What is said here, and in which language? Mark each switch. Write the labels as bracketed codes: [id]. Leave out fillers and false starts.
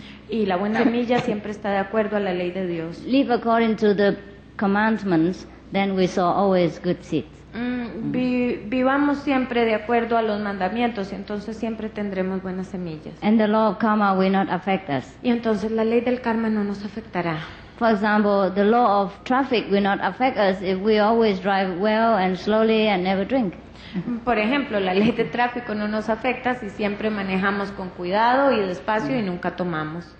[es] Y la buena semilla siempre está de acuerdo a la ley de Dios. [en] Live according to the commandments, then we sow always good seed. [es] Vivamos siempre de acuerdo a los mandamientos, entonces siempre tendremos buenas semillas. [en] And the law of karma will not affect us. [es] Y entonces la ley del karma no nos afectará. [en] For example, the law of traffic will not affect us if we always drive well and slowly and never drink. [es] Por ejemplo, la ley de tráfico no nos afecta si siempre manejamos con cuidado y despacio y nunca tomamos.